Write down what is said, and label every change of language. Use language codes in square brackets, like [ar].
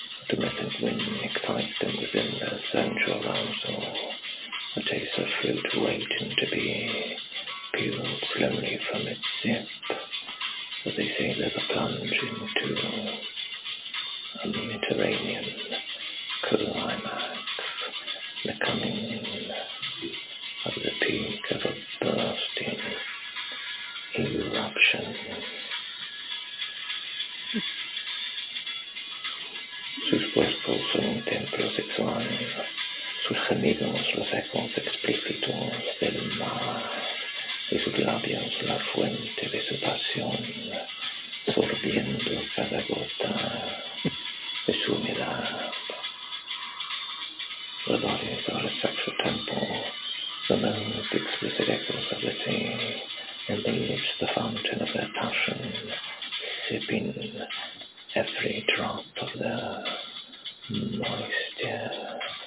[en] The method wind excites them within their sensual arousal, a taste of fruit waiting to be peeled slowly from its zip, as they say there's a plunge into a Mediterranean climax, the coming of the peak of a bursting eruption. [es] Sus cuerpos son un templo sexual, sus gemidos los ecos explícitos del mar, y sus labios la fuente de su pasión, sorbiendo cada gota de su humedad. [en] The bodies are a sexual temple, the most explicit echoes of the sea, and they leave the fountain of their passion, sipping every drop of their moisture.